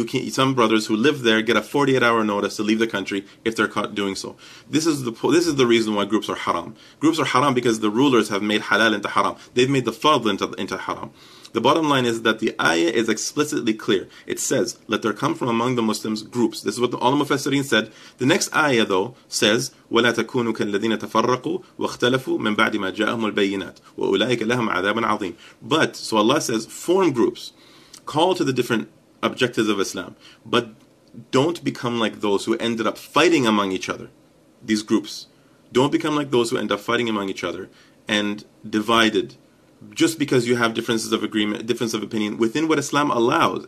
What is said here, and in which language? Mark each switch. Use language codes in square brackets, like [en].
[en] Some brothers who live there get a 48-hour notice to leave the country if they're caught doing so. This is the reason why groups are haram. Groups are haram because the rulers have made halal into haram. They've made the fard into haram. The bottom line is that the ayah is explicitly clear. It says, let there come from among the Muslims groups. This is what all the mufassirin said. The next ayah, though, says, [ar] وَلَا تَكُونُوا كَالَّذِينَ تَفَرَّقُوا وَاخْتَلَفُوا مِنْ بَعْدِ مَا جَاءَهُمُ الْبَيِّنَاتِ وَأُولَٰئِكَ لَهُمْ عَذَابٌ عَظِيمٌ. [en] But, so Allah says, form groups. Call to the different objectives of Islam. But don't become like those who ended up fighting among each other. These groups. Don't become like those who end up fighting among each other and divided, just because you have differences of agreement, difference of opinion, within what Islam allows.